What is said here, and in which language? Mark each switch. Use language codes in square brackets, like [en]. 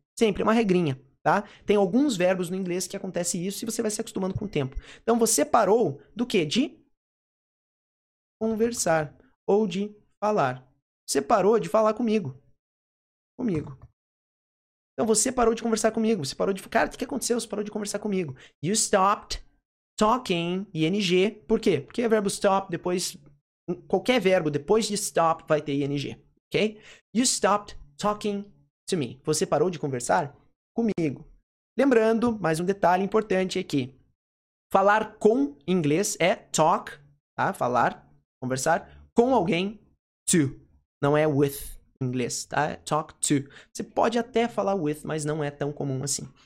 [pt] Sempre uma regrinha, tá? Tem alguns verbos no inglês que acontece isso e você vai se acostumando com o tempo. Então, você parou do quê? De conversar ou de falar. Você parou de falar comigo. Comigo. Então, você parou de conversar comigo. Você parou de... Cara, o que aconteceu? Você parou de conversar comigo. [en] You stopped talking, ing. [pt] Por quê? Porque o verbo stop, depois... Qualquer verbo depois de stop vai ter ing, ok? [en] You stopped talking to me. [pt] Você parou de conversar comigo. Lembrando, mais um detalhe importante aqui. Falar com em inglês é talk, tá? Falar, conversar com alguém, to. Não é with em inglês, tá? É talk to. Você pode até falar with, mas não é tão comum assim.